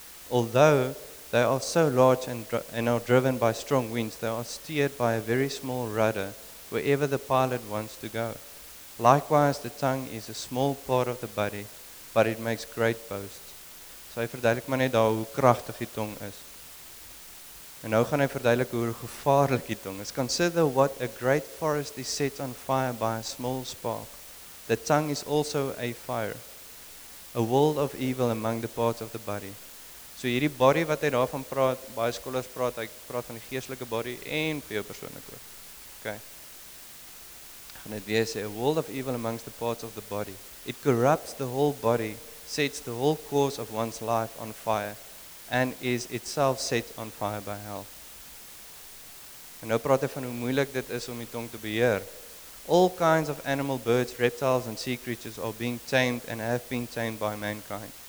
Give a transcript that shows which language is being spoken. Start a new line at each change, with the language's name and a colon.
English: Although they are so large and are driven by strong winds, they are steered by a very small rudder wherever the pilot wants to go. Likewise, the tongue is a small part of the body, but it makes great boasts.
Afrikaans: So hy verduidelik maar net daar hoe kragtig die tong is. En nou gaan hy verduidelik hoe gevaarlik die tong is.
English: Consider what a great forest is set on fire by a small spark. The tongue is also a fire, a world of evil among the parts of the body.
Afrikaans: So hierdie body wat hy daarvan praat, baie skolers praat, hy praat van die geestelike body en vir jou persoonlik ook. Okay.
English: And it is a world of evil amongst the parts of the body. It corrupts the whole body, sets the whole course of one's life on fire, and is itself set on fire by hell.
Afrikaans: En nou praat hy van hoe moeilik dit is om die tong te beheer.
English: All kinds of animal, birds, reptiles, and sea creatures are being tamed and have been tamed by mankind.